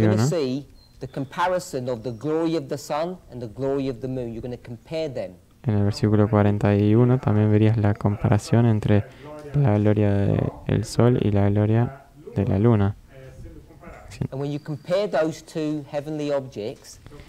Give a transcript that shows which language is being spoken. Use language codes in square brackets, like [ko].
[en] you're going to see the comparison of the glory of the sun and the glory of the moon. You're going to compare them. [es] En el versículo 41 también verías la comparación entre la gloria del sol y la gloria de la luna. [en] And when you compare those two heavenly objects,